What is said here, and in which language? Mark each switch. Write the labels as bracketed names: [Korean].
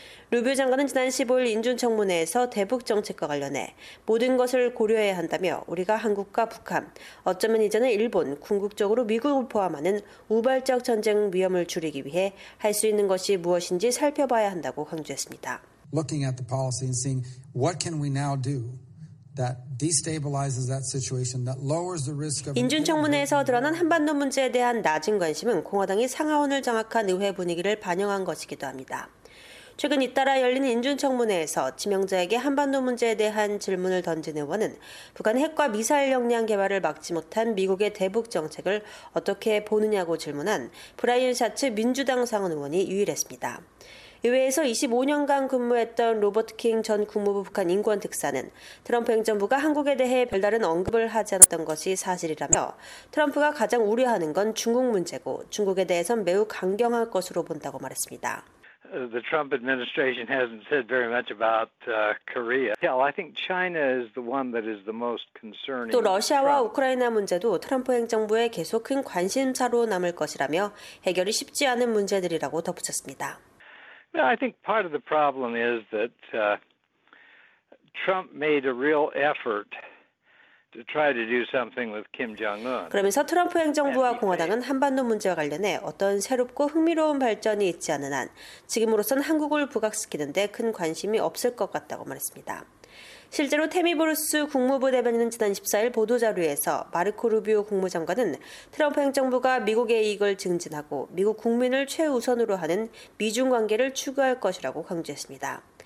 [Korean] 루비오 장관은 지난 15일 인준청문회에서 대북정책과 관련해 모든 것을 고려해야 한다며 우리가 한국과 북한, 어쩌면 이제는 일본, 궁극적으로 미국을 포함하는 우발적 전쟁 위험을 줄이기 위해 할 수 있는 것이 무엇인지 살펴봐야 한다고 강조했습니다. [English] Looking at the policy and seeing what can we now do that destabilizes that situation, that lowers the risk of [Korean] 인준청문회에서 드러난 한반도 문제에 대한 낮은 관심은 공화당이 상하원을 장악한 의회 분위기를 반영한 것이기도 합니다. 최근 잇따라 열린 인준청문회에서 지명자에게 한반도 문제에 대한 질문을 던진 의원은 북한 핵과 미사일 역량 개발을 막지 못한 미국의 대북 정책을 어떻게 보느냐고 질문한 브라이언 샤츠 민주당 상원 의원이 유일했습니다. 의회에서 25년간 근무했던 로버트 킹 전 국무부 북한 인권특사는 트럼프 행정부가 한국에 대해 별다른 언급을 하지 않았던 것이 사실이라며 트럼프가 가장 우려하는 건 중국 문제고 중국에 대해선 매우 강경할 것으로 본다고 말했습니다. [English] The Trump administration hasn't said very much about Korea. Yeah, I think China is the one that is the most concerning. [Korean] 또 러시아와 우크라이나 문제도 트럼프 행정부에 계속 큰 관심사로 남을 것이라며 해결이 쉽지 않은 문제들이라고 덧붙였습니다. [English] I think part of the problem is that Trump made a real effort to try to do something with Kim Jong-un. [Korean] 그러면서 트럼프 행정부와 공화당은 한반도 문제와 관련해 어떤 새롭고 흥미로운 발전이 있지 않은 한 지금으로선 한국을 부각시키는 데 큰 관심이 없을 것 같다고 말했습니다. 실제로 테미 브루스 국무부 대변인은 지난 14일 보도자료에서 마르코 루비오 국무장관은 트럼프 행정부가 미국의 이익을 증진하고 미국 국민을 최우선으로 하는 미중 관계를 추구할 것이라고 강조했습니다.